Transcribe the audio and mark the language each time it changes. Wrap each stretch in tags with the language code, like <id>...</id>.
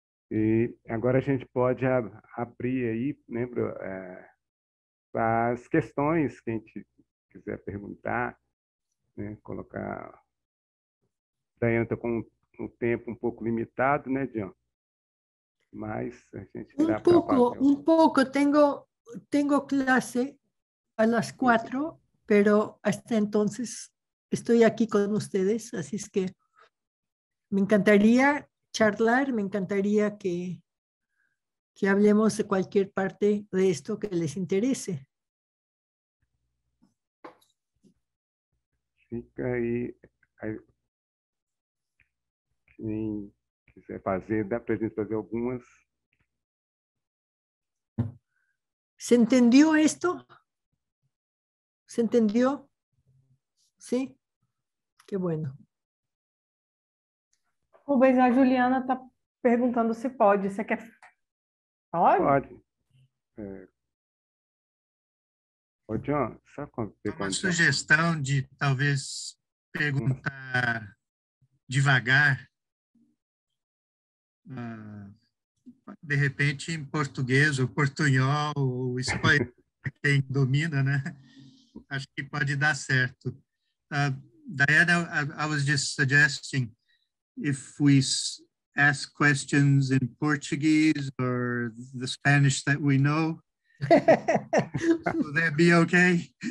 <pt>E agora a gente pode abrir aí, né, para as questões que a gente quiser perguntar, né, colocar. Daiane está com um tempo um pouco limitado, né, Dion? Mas a gente dá para fazer. Um pouco, tenho classe às 4,</pt> <es>pero hasta entonces. Estoy aquí con ustedes, así es que me encantaría charlar, me encantaría que hablemos de cualquier parte de esto que les interese.</es> <pt>fica aí, quem quiser fazer, dá para a gente fazer algumas.</pt> <es>¿Se entendió esto? ¿Se entendió? ¿Sí? Qué bueno.</es> <pt>Rubens, a Juliana está perguntando se pode. Você quer? Pode? Pode. Ô, John, sabe quando tem Uma quando. sugestão de talvez perguntar devagar, de repente em português, ou portunhol, ou espanhol, quem domina, né? Acho que pode dar certo.</pt> <en>Diana, I was just suggesting if we ask questions in Portuguese or the Spanish that we know, will that be okay?</en>